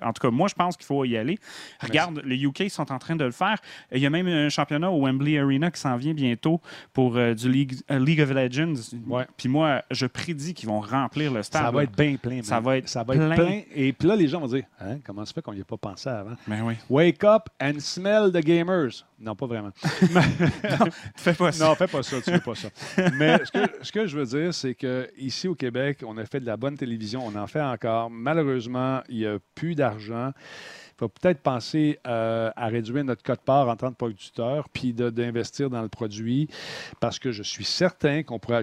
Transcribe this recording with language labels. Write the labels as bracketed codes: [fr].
[fr] En tout cas, moi, je pense qu'il faut y aller. Regarde, les UK sont en train de le faire. Il y a même un championnat au Wembley Arena qui s'en vient bientôt pour du League of Legends. Ouais. Puis moi, je prédis qu'ils vont remplir le stade. Ça va être bien plein. Ça va être plein. Et puis là, les gens vont dire, hein, comment ça fait qu'on n'y a pas pensé avant? Ben oui. [en] Wake up and smell the gamers. [fr] Non, pas vraiment. Non, fais pas ça. Non, fais pas ça. Tu fais pas ça. Mais ce que je veux dire, c'est qu'ici au Québec, on a fait de la bonne télévision. On en fait encore. Malheureusement, il n'y a plus d'argent. Il faut peut-être penser à réduire notre quote-part en tant que producteur puis d'investir dans le produit parce que je suis certain qu'on pourrait...